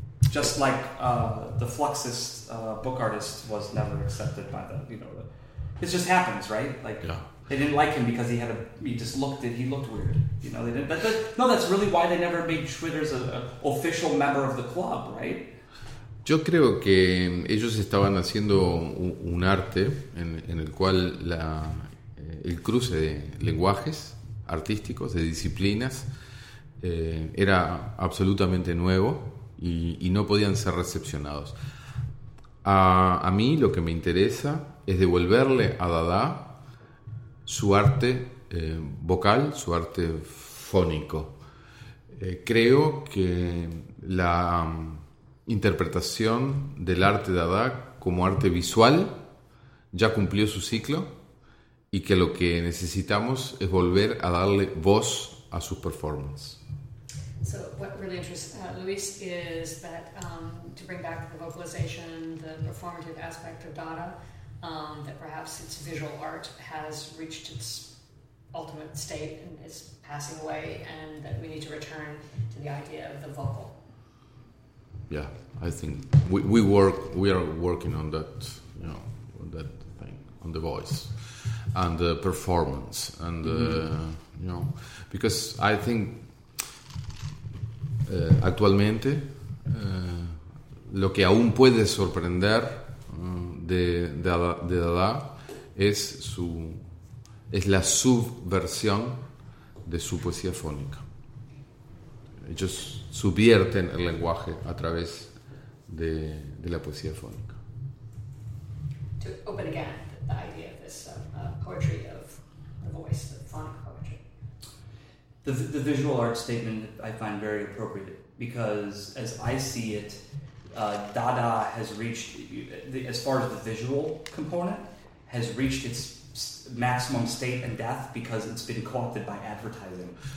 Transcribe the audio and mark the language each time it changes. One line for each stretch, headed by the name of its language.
English: Just like the Fluxus book artist was never accepted by the, you know, it just happens, right? Like, yeah, they didn't like him because he looked weird. You know, they didn't. But that's really why they never made Schwitters an official member of the club, right?
Spanish: Yo creo que ellos estaban haciendo un arte en el cual la el cruce de lenguajes artísticos, de disciplinas, era absolutamente nuevo y no podían ser recepcionados. A mí lo que me interesa es devolverle a Dada su arte vocal, su arte fónico. Creo que la interpretación del arte Dada como arte visual ya cumplió su ciclo y que lo que necesitamos es volver a darle voz a sus performances.
English: So what really interests Luis is that to bring back the vocalization, the performative aspect of Dada, that perhaps its visual art has reached its ultimate state and is passing away, and that we need to return to the idea of the vocal. Yeah, I think we are working on that, you know, on that thing, on the voice and the performance, and you know, because I think
Spanish: actualmente lo que aún puede sorprender de Dada es su es la subversión de su poesía fónica. Ellos subvierten el lenguaje a través de la poesía fónica.
English: To open again the idea of this poetry of the voice, the phonic poetry. The visual art statement I find very appropriate because, as I see it, Dada has reached, as far as the visual component, has reached its maximum state and death because it's been co-opted by advertising.